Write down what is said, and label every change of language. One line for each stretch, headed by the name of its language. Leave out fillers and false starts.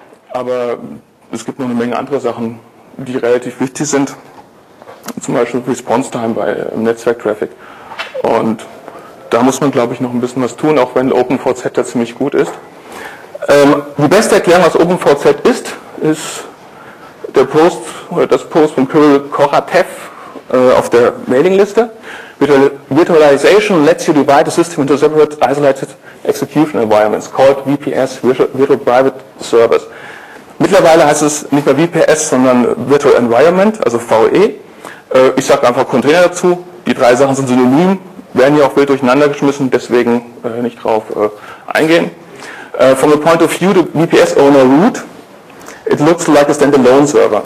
German: Aber es gibt noch eine Menge andere Sachen, die relativ wichtig sind, zum Beispiel Response Time bei Netzwerktraffic. Und da muss man, glaube ich, noch ein bisschen was tun, auch wenn OpenVZ da ziemlich gut ist. Die beste Erklärung, was OpenVZ ist, ist der Post oder das Post von Kirill Koratev auf der Mailingliste.
English: Virtualization lets you divide the system into separate isolated execution environments called VPS, Virtual Private Service.
German: Mittlerweile heißt es nicht mehr VPS, sondern Virtual Environment, also VE. Ich sage einfach Container dazu. Die drei Sachen sind synonym, werden ja auch wild durcheinander geschmissen, deswegen nicht drauf eingehen.
English: From the point of view, the VPS owner root, it looks like a standalone server.